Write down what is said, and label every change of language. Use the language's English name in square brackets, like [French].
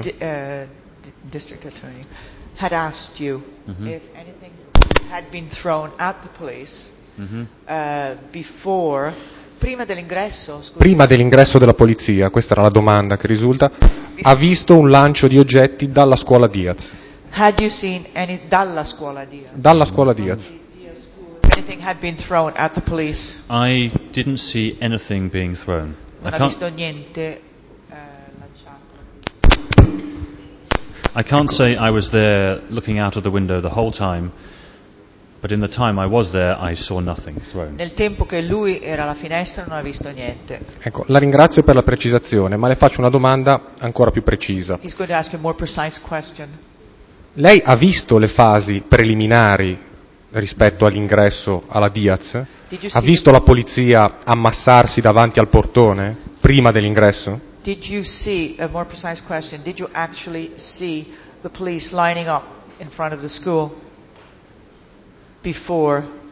[English] District attorney had asked you if anything had been thrown at the police before... [Italian] Prima dell'ingresso della polizia, questa era la domanda che risulta, ha visto un lancio di oggetti dalla scuola Diaz. [English] Had you seen any, [Italian] dalla scuola Diaz? Dalla scuola Diaz. [English] The anything had been thrown at the police. I didn't see anything being thrown. I can't say I was there looking out of the window the whole time, but in the time I was there I saw nothing thrown. [Italian] Nel tempo che lui era alla finestra non ha visto niente. Ecco, la ringrazio per la precisazione, ma le faccio una domanda ancora più precisa. [English] He's going to ask a more precise question. [Italian] Lei ha visto le fasi preliminari rispetto all'ingresso alla Diaz? Ha visto la polizia ammassarsi davanti al portone prima dell'ingresso? [English] Did you see a more precise question? Did you actually see the police lining up in front of the school before?